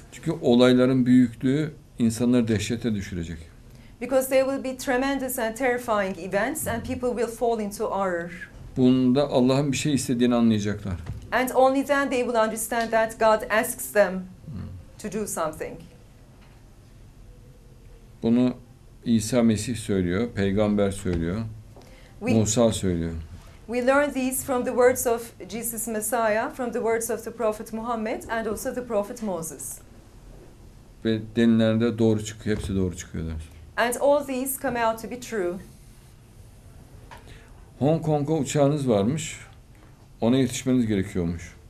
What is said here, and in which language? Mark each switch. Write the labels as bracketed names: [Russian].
[Turkish] Çünkü olayların büyüklüğü insanları dehşete düşürecek. [English] Because there will be tremendous and terrifying events and people will fall into horror. [Turkish] Bunda Allah'ın bir şey istediğini anlayacaklar. [English] And only then they will understand that God asks them to do something. [Turkish] Bunu İsa Mesih söylüyor, peygamber söylüyor, Musa söylüyor. [English] We learn these from the words of Jesus Messiah, from the words of the prophet Muhammad and also the prophet Moses. [Turkish] Ve denilenlerde doğru çıkıyor, hepsi doğru çıkıyorlar. [English] And all these come out to be true. [Turkish] Hong Kong'a uçağınız varmış, ona yetişmeniz gerekiyormuş.